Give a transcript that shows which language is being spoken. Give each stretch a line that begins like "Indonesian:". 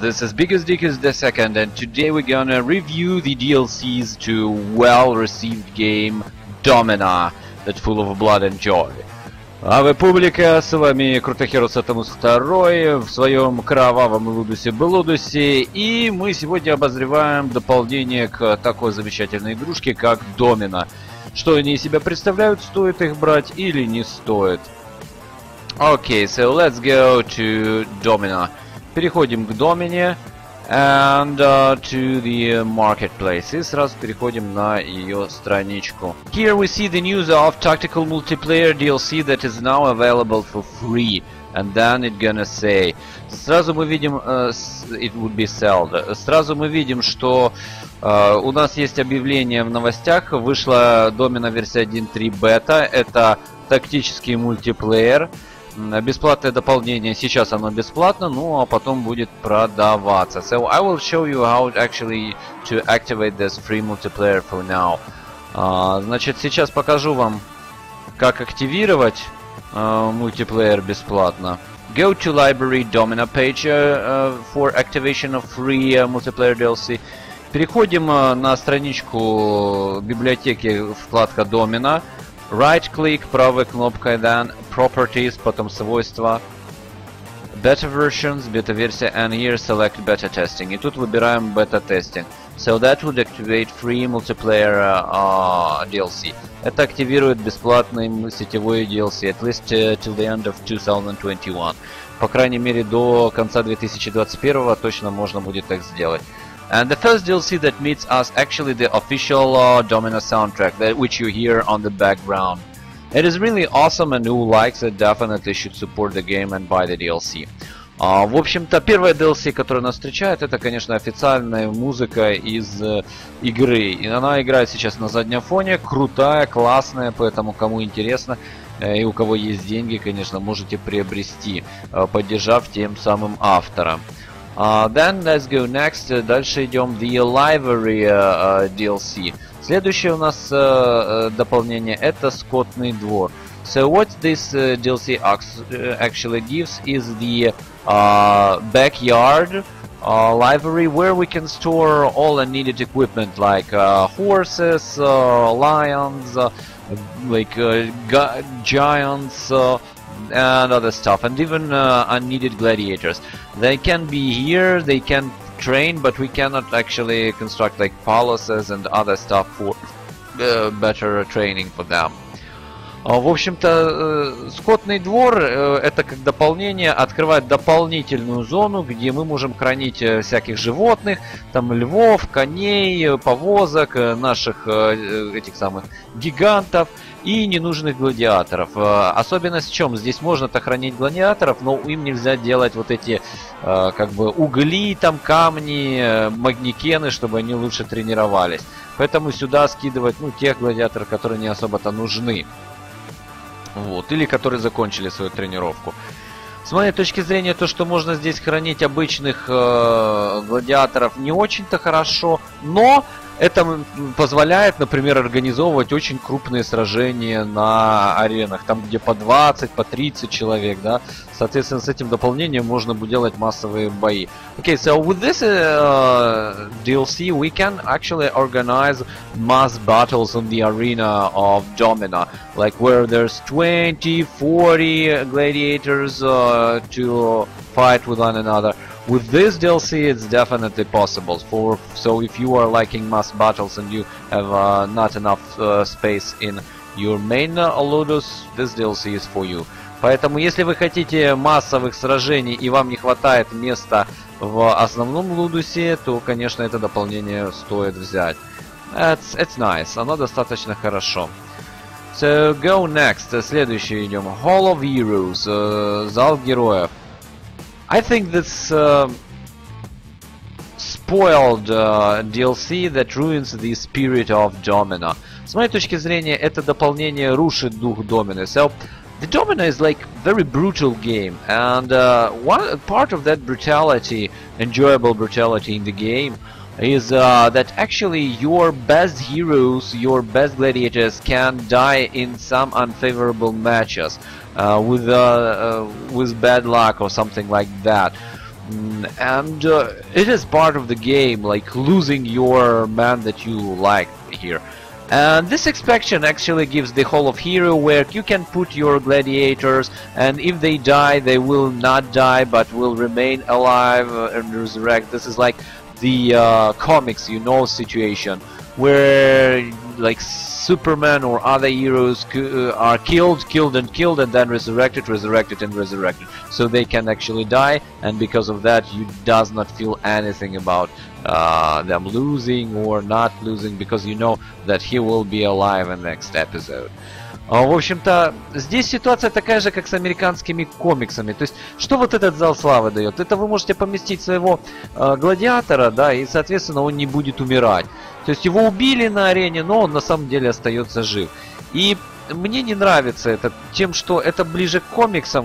English: This is Biggest Dickest the Second, and today we're gonna review the DLCs to well-received game Domina, that's full of blood and joy.
Latin: Ave publica,
Russian: с вами Крутохеру Сатамус Второй в своем кровавом Лудусе-Блудусе, и мы сегодня обозреваем дополнение к такой замечательной игрушке, как Домина. Что они из себя представляют, стоит их брать или не стоит?
English: Okay, so let's go to Domina.
Russian: Переходим к Домине
English: and to the marketplace.
Russian: И сразу переходим на ее страничку.
English: Here we see the news of tactical multiplayer DLC that is now available for free. And then it gonna say.
Russian: Сразу мы видим,
English: it would be sold.
Russian: Сразу мы видим, что у нас есть объявление в новостях. Вышла Domina версия 1.3 бета. Это тактический мультиплеер. Бесплатное дополнение, сейчас оно бесплатно, ну а потом будет продаваться.
English: So I will show you how actually to activate this free multiplayer for now.
Russian: Значит, сейчас покажу вам, как активировать мультиплеер бесплатно.
English: Go to library Domina page for activation of free multiplayer DLC.
Russian: Переходим на страничку библиотеки, вкладка Domina.
English: Right click,
Russian: правой кнопкой,
English: then properties,
Russian: потом свойства,
English: beta versions,
Russian: beta версия,
English: and here select beta testing.
Russian: И тут выбираем
English: beta testing. So that would activate free multiplayer DLC.
Russian: Это активирует бесплатный сетевой DLC,
English: at least till the end of 2021.
Russian: По крайней мере, до конца 2021 точно можно будет так сделать.
English: And the first DLC that meets us actually the official Domina soundtrack, that which you hear on the background. It is really awesome, and who likes it definitely should support the game and buy the DLC.
Russian: В общем-то, первая DLC, которая нас встречает, это, конечно, официальная музыка из игры. И она играет сейчас на заднем фоне, крутая, классная, поэтому кому интересно и у кого есть деньги, конечно, можете приобрести, поддержав тем самым автора.
English: Then let's go next.
Russian: Дальше идем
English: the library DLC.
Russian: Следующее у нас дополнение это скотный двор.
English: So what this DLC actually gives is the backyard library where we can store all the needed equipment like horses, lions, like giants. And other stuff, and even unneeded gladiators. They can be here, they can train, but we cannot actually construct like palaces and other stuff for better training for them.
Russian: В общем-то, скотный двор это как дополнение, открывает дополнительную зону, где мы можем хранить всяких животных, там львов, коней, повозок, наших этих самых гигантов и ненужных гладиаторов. Особенность в чем? Здесь можно-то хранить гладиаторов, но им нельзя делать вот эти как бы угли, там камни, магнекены, чтобы они лучше тренировались. Поэтому сюда скидывать, ну, тех гладиаторов, которые не особо-то нужны. Вот, или которые закончили свою тренировку. С моей точки зрения, то, что можно здесь хранить обычных гладиаторов, не очень-то хорошо, но это позволяет, например, организовывать очень крупные сражения на аренах, там, где по 20, по 30 человек, да. Соответственно, с этим дополнением можно будет делать массовые бои.
English: Okay, so with this DLC we can actually organize mass battles on the arena of Domina. Like where there's 20, 40 gladiators to fight with one another. With this DLC it's definitely possible. So if you are liking mass battles and you have not enough space in your main Ludus, this DLC is for you.
Russian: Поэтому, если вы хотите массовых сражений и вам не хватает места в основном Лудусе, то, конечно, это дополнение стоит взять.
English: It's nice.
Russian: Оно достаточно хорошо.
English: So, go next.
Russian: Следующий идем.
English: Hall of Heroes.
Russian: Зал героев.
English: I think this spoiled DLC that ruins the spirit of Domina.
Russian: С моей точки зрения, это дополнение рушит дух Домина.
English: So, the Domina is like very brutal game, and one part of that brutality, enjoyable brutality in the game, is that actually your best heroes, your best gladiators can die in some unfavorable matches. with bad luck or something like that. And it is part of the game, like losing your man that you like here. And this expansion actually gives the Hall of Hero where you can put your gladiators, and if they die, they will not die but will remain alive and resurrect. This is like the comics, you know, situation where like Superman or other heroes are killed and then resurrected. So they can actually die, and because of that you does not feel anything about them losing or not losing, because you know that he will be alive in the next episode.
Russian: В общем-то, здесь ситуация такая же, как с американскими комиксами. То есть, что вот этот зал славы дает? Это вы можете поместить своего гладиатора, да, и, соответственно, он не будет умирать. То есть, его убили на арене, но он на самом деле остается жив. И мне не нравится это тем, что это ближе к комиксам.